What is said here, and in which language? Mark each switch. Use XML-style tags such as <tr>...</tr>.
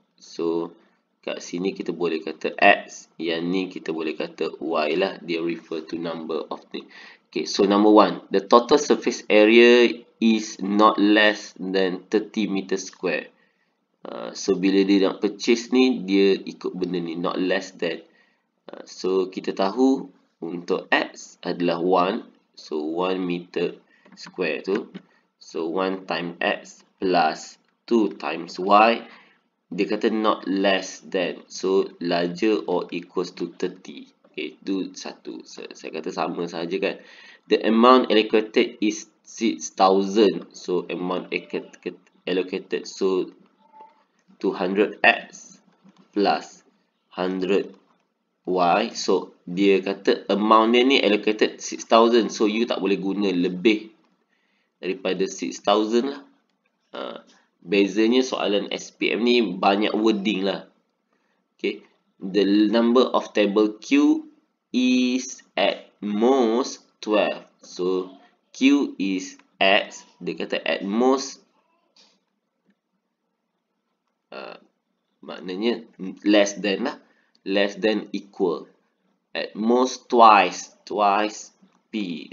<ms>So kat sini kita boleh kata X, yang ni kita boleh kata Y lah, dia</ms> <en>refer to number of thing. Okay, so number one, the total surface area is not less than 30 meter square.</en> <ms>So bila dia nak purchase ni, dia ikut benda ni,</ms> <en>not less than.</en> <ms>So kita tahu untuk X adalah 1, so 1 meter square tu.</ms> <en>So 1 times X plus 2 times Y,</en> <ms>dia kata</ms> <en>not less than, so larger or equals to 30.</en> <ms>Okay, itu satu. Saya kata sama sahaja kan.</ms> <en>The amount allocated is 6,000. So amount allocated, so 200X plus 100Y.</en> <ms>So dia kata amount dia ni allocated 6,000. So you tak boleh guna lebih daripada 6,000 lah. Bezanya soalan SPM ni banyak wording lah.</ms> <en>Okay, the number of table Q is at most 12. So Q is X,</en> <ms>dia kata</ms> <en>at most,</en> <ms>maknanya</ms> <en>less than lah, less than equal, at most twice, twice P.</en>